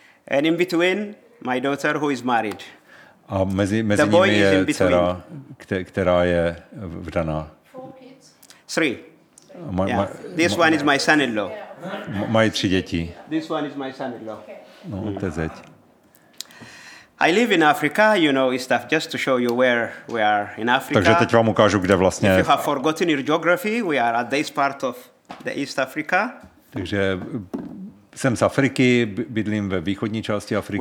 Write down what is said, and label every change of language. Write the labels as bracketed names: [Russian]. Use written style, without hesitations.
[English] And in between, my daughter who is married. [Czech] A mezi nimi je dcera, která je vdaná. [English] Three. This one is my son-in-law. [Czech] Mají tři děti. [English] This one is my son-in-law. [Czech] No, to je zeď. [English] I live in Africa, you know, stuff just to show you where we are in Africa. [Czech] Takže teď vám ukážu, kde vlastně. [English] If you have forgotten your geography, we are at this part of the East Africa. [Czech] Takže jsem z Afriky, bydlím ve východní části Afriky.